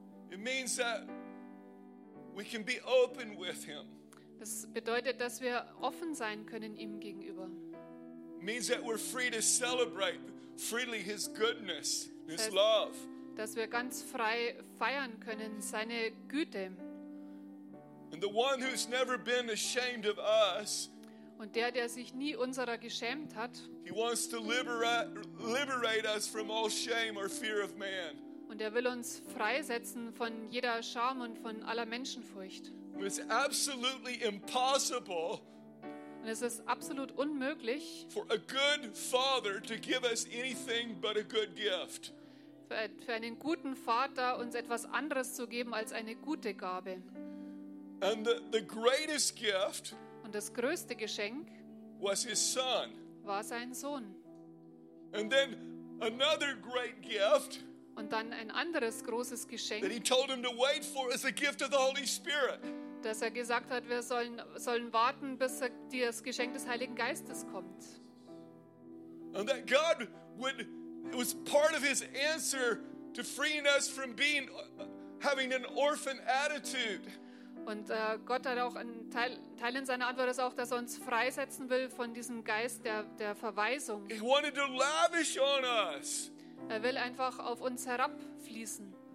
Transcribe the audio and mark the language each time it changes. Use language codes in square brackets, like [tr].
[en] It means that we can be open with him. [de] Das bedeutet, dass wir offen sein können ihm gegenüber. [en] It means that we're free to celebrate freely his goodness, his love. [de] Dass wir ganz frei feiern können seine Güte. [en] And the one who's never been ashamed of us. [de] Und der sich nie unserer geschämt hat. [en] He wants to liberate us from all shame or fear of man. [de] Und will uns freisetzen von jeder Scham und von aller Menschenfurcht. [en] It's absolutely impossible. [de] Und es ist absolut unmöglich, [en] for a good father to give us anything but a good gift. [de] Für einen guten Vater uns etwas anderes zu geben als eine gute Gabe. [en] And the greatest gift, [de] und das größte Geschenk, [en] was his son, [de] war sein Sohn. [en] And then another great gift, [de] und dann ein anderes großes Geschenk, [en] that he told him to wait for, is the gift of the Holy Spirit. [de] Dass gesagt hat, wir sollen warten, bis das Geschenk des Heiligen Geistes kommt. [en] And that God would, it was part of his answer to freeing us from being, having an orphan attitude. [de] Und Gott hat auch einen Teil in seiner Antwort ist auch, dass uns freisetzen will von diesem Geist der Verweisung. [en] He wanted to lavish on us. [de] Will einfach auf uns herabfließen.